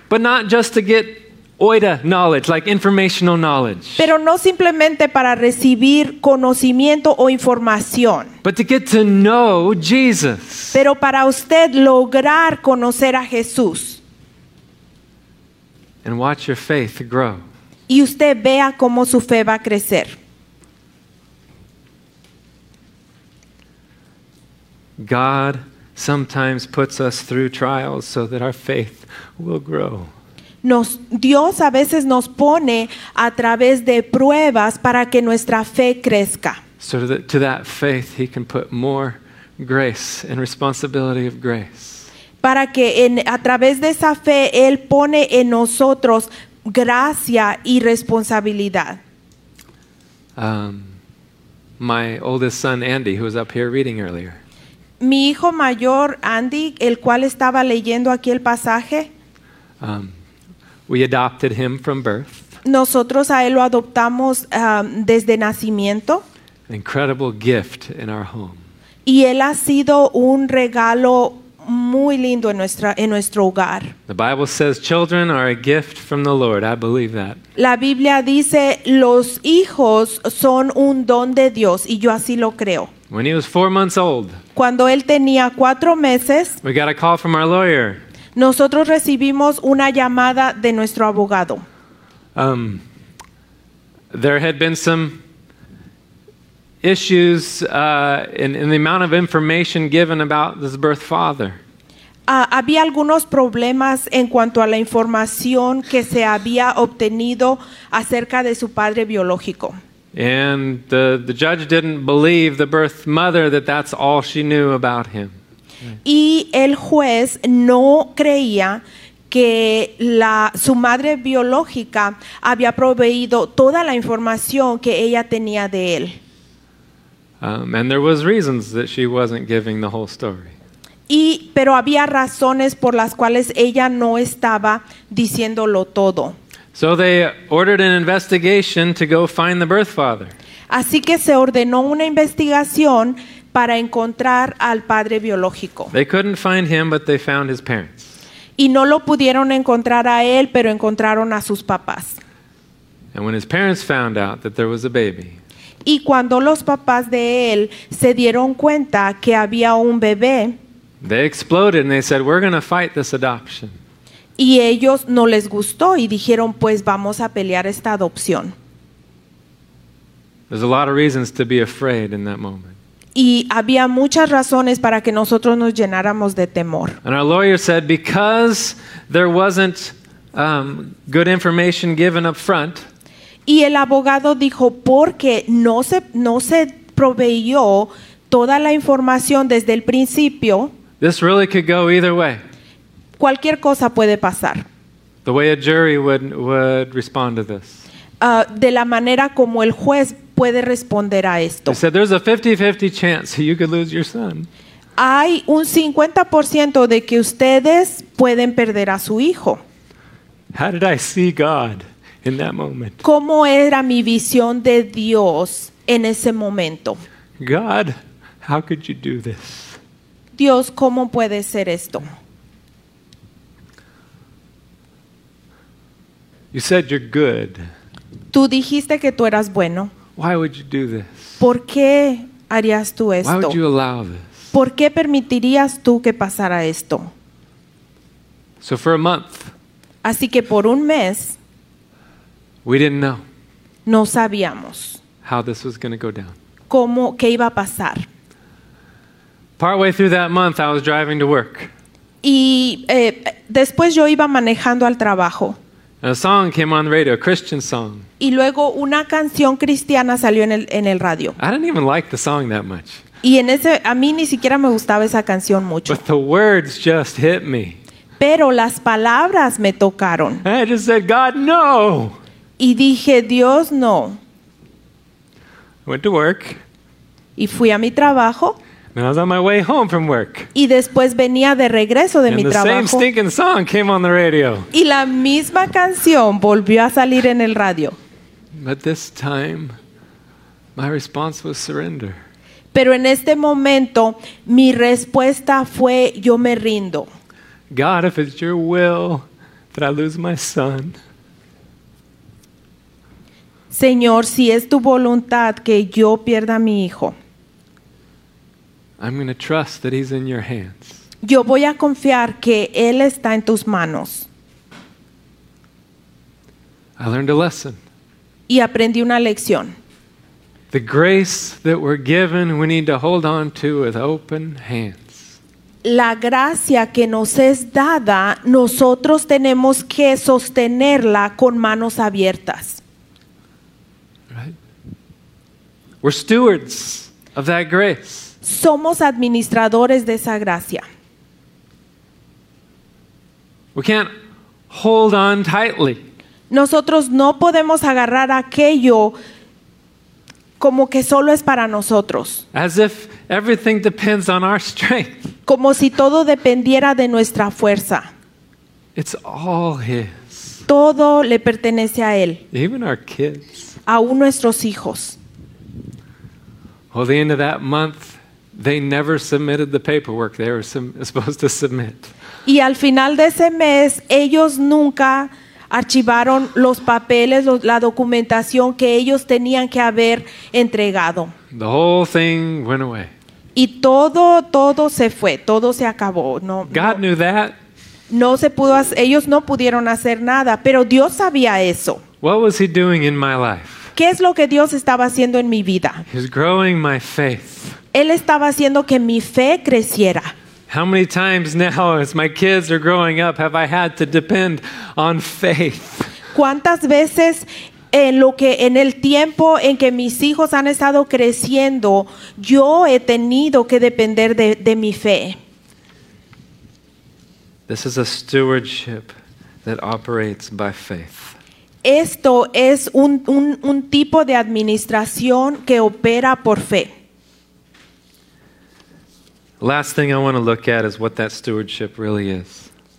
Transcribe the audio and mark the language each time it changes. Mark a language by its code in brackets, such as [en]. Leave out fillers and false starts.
[en] But not just to get oida knowledge, like informational knowledge. [es] Pero no simplemente para recibir conocimiento o información. [en] But to get to know Jesus. [es] Pero para usted lograr conocer a Jesús. [en] And watch your faith grow. [es] Y usted vea cómo su fe va a crecer. [en] God sometimes puts us through trials so that our faith will grow. [es] Dios a veces nos pone a través de pruebas para que nuestra fe crezca. [en] So to that faith he can put more grace and responsibility of grace. [es] Para que a través de esa fe Él pone en nosotros gracia y responsabilidad. [en] My oldest son Andy, who was up here reading earlier. [es] Mi hijo mayor Andy, el cual estaba leyendo aquí el pasaje. [en] We adopted him from birth. [es] Nosotros a él lo adoptamos desde nacimiento. [en] An incredible gift in our home. [es] Y él ha sido un regalo muy lindo en nuestro hogar. [en] The Bible says children are a gift from the Lord. I believe that. [es] La Biblia dice los hijos son un don de Dios y yo así lo creo. [en] When he was 4 months old. [es] Cuando él tenía 4 meses. [en] We got a call from our lawyer. [es] Nosotros recibimos una llamada de nuestro abogado. [en] There had been some issues in the amount of information given about this birth father. [es] Había algunos problemas en cuanto a la información que se había obtenido acerca de su padre biológico. [en] And the judge didn't believe the birth mother that's all she knew about him. [es] Y el juez no creía que su madre biológica había proveído toda la información que ella tenía de él. [en] And there was reasons that she wasn't giving the whole story. [es] Pero había razones por las cuales ella no estaba diciéndolo todo. [en] So they ordered an investigation to go find the birth father. [es] Así que se ordenó una investigación para encontrar al padre biológico. [en] They couldn't find him, but they found his parents. [es] Y no lo pudieron encontrar a él, pero encontraron a sus papás. [en] And when his parents found out that there was a baby. [es] Y cuando los papás de él se dieron cuenta que había un bebé, [en] they exploded and they said, "We're going to fight this adoption." [es] Y ellos no les gustó y dijeron, "Pues vamos a pelear esta adopción." [en] There's a lot of reasons to be afraid in that moment. [es] Y había muchas razones para que nosotros nos llenáramos de temor. [en] And our lawyer said, "Because there wasn't good information given up front." [es] Y el abogado dijo porque no se proveyó toda la información desde el principio. [en] This really could go either way. [es] Cualquier cosa puede pasar. [en] The way a jury would respond to this. [es] De la manera como el juez puede responder a esto. [en] He said there's a 50-50 chance you could lose your son. [es] Hay un 50% de que ustedes pueden perder a su hijo. [en] How did I see God? In that moment. [es] ¿Cómo era mi visión de Dios en ese momento? [en] God, how could you do this? [es] Dios, ¿cómo puede ser esto? [en] You said you're good. [es] Tú dijiste que tú eras bueno. [en] Why would you do this? [es] ¿Por qué harías tú esto? [en] Why would you allow this? [es] ¿Por qué permitirías tú que pasara esto? [en] So for a month. [es] Así que por un mes. [en] We didn't know. [es] No sabíamos. [en] How this was going to go down. [es] ¿Cómo qué iba a pasar? [en] Partway through that month, I was driving to work. [es] Y después yo iba manejando al trabajo. [en] A song came on the radio, a Christian song. [es] Y luego una canción cristiana salió en el radio. [en] I didn't even like the song that much. [es] Y en ese a mí ni siquiera me gustaba esa canción mucho. [en] But the words just hit me. [es] Pero las palabras me tocaron. [en] And I just said, God, no. [es] Y dije, Dios, no. [en] Went to work. [es] Y fui a mi trabajo. [en] And I was on my way home from work. [es] Y después venía de regreso de [en] and [es] mi trabajo. [en] Same stinking song came on the radio. [es] Y la misma canción volvió a salir en el radio. [en] But this time, my response was surrender. [es] Pero en este momento, mi respuesta fue, yo me rindo. [en] God, if it's your will that I lose my son. [es] Señor, si es tu voluntad que yo pierda a mi hijo. [en] I'm going to trust that he's in your hands. [es] Yo voy a confiar que él está en tus manos. [en] I learned a lesson. [es] Y aprendí una lección. [en] The grace that we're given, we need to hold on to with open hands. [es] La gracia que nos es dada, nosotros tenemos que sostenerla con manos abiertas. [en] Right? We're stewards of that grace. [es] Somos administradores de esa gracia. [en] We can't hold on tightly. [es] Nosotros no podemos agarrar aquello como que solo es para nosotros. [en] As if everything depends on our strength. [es] Como si todo dependiera de nuestra fuerza. [en] It's all his. [es] Todo le pertenece a él. [en] Even our kids. [es] Aún nuestros hijos. [en] Well, the end of that month, they never submitted the paperwork they were supposed to submit. [es] Y al final de ese mes, ellos nunca archivaron los papeles, la documentación que ellos tenían que haber entregado. [en] The whole thing went away. [es] Y todo se fue, todo se acabó. No, [en] God knew that. [es] No se pudo, ellos no pudieron hacer nada, pero Dios sabía eso. [en] What was he doing in my life? [es] ¿Qué es lo que Dios estaba haciendo en mi vida? [en] He's growing my faith. [es] Él estaba haciendo que mi fe creciera. [en] How many times now, as my kids are growing up, have I had to depend on faith? [es] ¿Cuántas veces en el tiempo en que mis hijos han estado creciendo, yo he tenido que depender de mi fe? [en] This is a stewardship that operates by faith. [es] Esto es un tipo de administración que opera por fe. [en] Last thing I want to look at is what that stewardship really is.